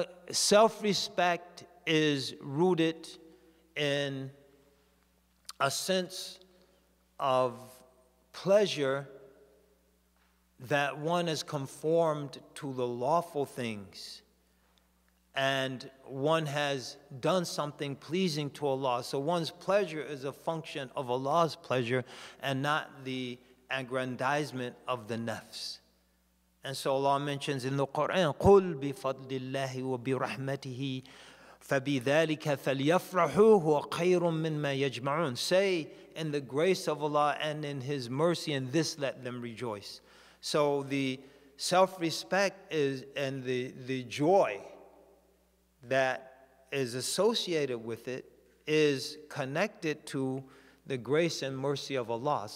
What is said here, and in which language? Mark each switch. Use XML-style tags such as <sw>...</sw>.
<en>Self-respect is rooted in a sense of pleasure that one is conformed to the lawful things and one has done something pleasing to Allah. So one's pleasure is a function of Allah's pleasure and not the aggrandizement of the nafs. And so Allah mentions in the Quran,</en> <ar>قُلْ بِفَضْلِ اللَّهِ وَبِرَحْمَتِهِ فَبِذَلِكَ فَلْيَفْرَحُوا هُوَ خَيْرٌ مِّمَّا يَجْمَعُونَ.</ar> <en>Say, in the grace of Allah and in His mercy, and this let them rejoice. So the self-respect is, and the joy that is associated with it is connected to the grace and mercy of Allah.</en>